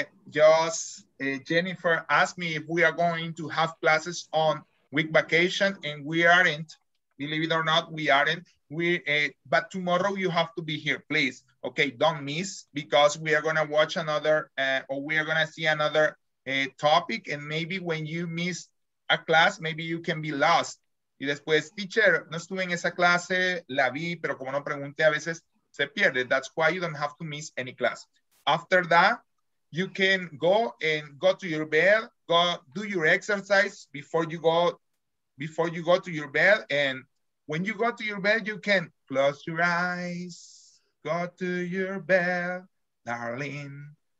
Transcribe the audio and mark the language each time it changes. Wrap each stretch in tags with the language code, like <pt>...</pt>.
<en>Jennifer asked me if we are going to have classes on week vacation, and we aren't. Believe it or not, we aren't. But tomorrow you have to be here, please. Okay, don't miss, because we are gonna watch another, or we are gonna see another topic, and maybe when you miss a class, maybe you can be lost.</en> <es>Y después, teacher, no estuve en esa clase, la vi, pero como no pregunté, a veces se pierde.</es> <en>That's why you don't have to miss any class. After that, you can go and go to your bed, go do your exercise before you go to your bed. And when you go to your bed, you can close your eyes, go to your bed, darling.</en>